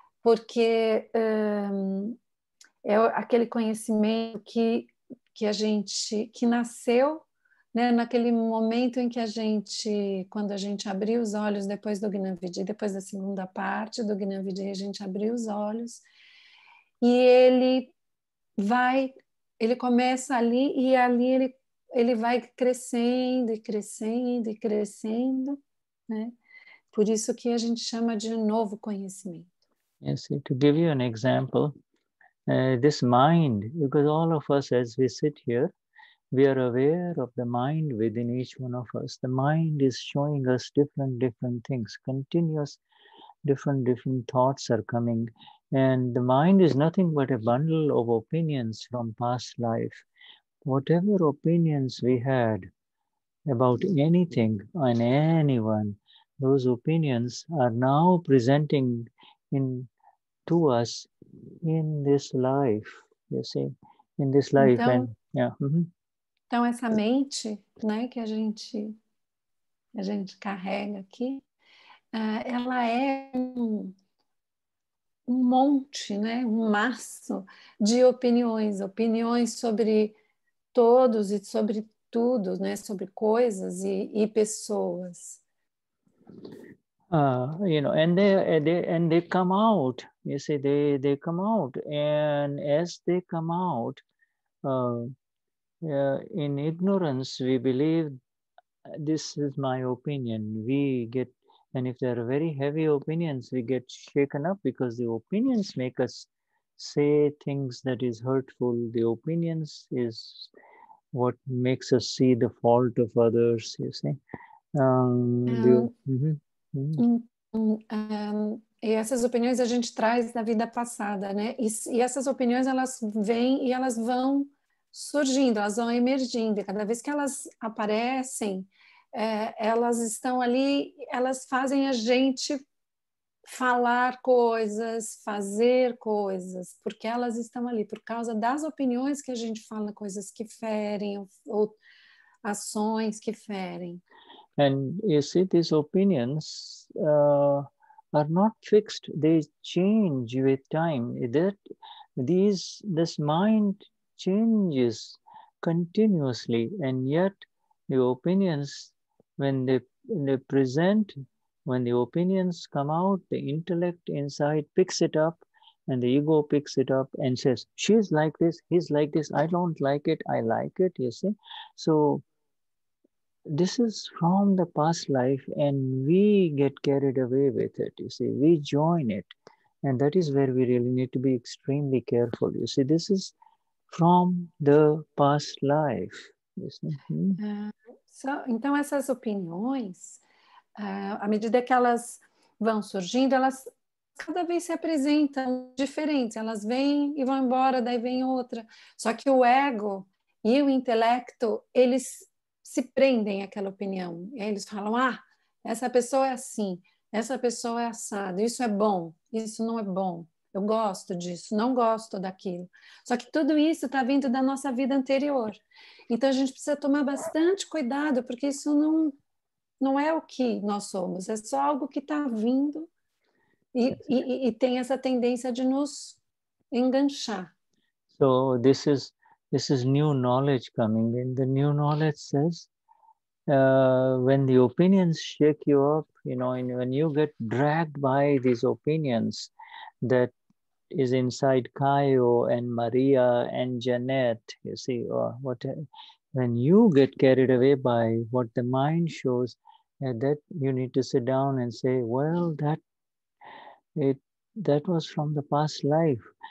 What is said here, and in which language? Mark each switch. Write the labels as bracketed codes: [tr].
[pt] Porque é aquele conhecimento que nasceu, né, naquele momento em que quando a gente abriu os olhos depois do Gnan Vidhi, depois da segunda parte do Gnan Vidhi, a gente abriu os olhos e ele começa ali e ali ele vai crescendo e crescendo e crescendo, né? Por isso que a gente chama de novo conhecimento. [en] Yes, to give you an example, this mind, because all of us as we sit here, we are aware of the mind within each one of us. The mind is showing us different things. Continuous different thoughts are coming. And the mind is nothing but a bundle of opinions from past life. Whatever opinions we had about anything and anyone, those opinions are now presenting to us in this life, you see, in this life. [pt] Então, [en] and, yeah. [pt] Então essa mente, né, que a gente carrega aqui, ela é um monte, né, um maço de opiniões sobre todos e sobre tudo, né, sobre coisas e pessoas. [en] And they come out, you see, they come out, and as they come out, in ignorance, we believe, this is my opinion, and if there are very heavy opinions, we get shaken up, because the opinions make us say things that is hurtful. The opinions is what makes us see the fault of others, you see. [pt] Então, E essas opiniões a gente traz da vida passada, né? E essas opiniões, elas vêm e elas vão surgindo, elas vão emergindo. E cada vez que elas aparecem, elas estão ali, elas fazem a gente falar coisas, fazer coisas, porque elas estão ali por causa das opiniões que a gente fala, coisas que ferem, ou ações que ferem. [en] And you see, these opinions are not fixed, they change with time. This mind changes continuously, and yet the opinions, when they present, when the opinions come out, the intellect inside picks it up and the ego picks it up and says, she's like this, he's like this, I don't like it, I like it, you see. So this is from the past life and we get carried away with it, you see. We join it, and that is where we really need to be extremely careful, you see. This is from the past life, you see. [pt] Então essas opiniões, à medida que elas vão surgindo, elas cada vez se apresentam diferentes. Elas vêm e vão embora, daí vem outra. Só que o ego e o intelecto, eles se prendem àquela opinião. Eles falam, ah, essa pessoa é assim, essa pessoa é assado, isso é bom, isso não é bom. Eu gosto disso, não gosto daquilo. Só que tudo isso está vindo da nossa vida anterior. Então a gente precisa tomar bastante cuidado, porque isso não é o que nós somos, é só algo que está vindo e tem essa tendência de nos enganchar. [en] So this is new knowledge coming in. The new knowledge says, when the opinions shake you up, you know, and when you get dragged by these opinions that is inside Caio and Maria and Jeanette, you see, or what, when you get carried away by what the mind shows, and that you need to sit down and say, well, that was from the past life.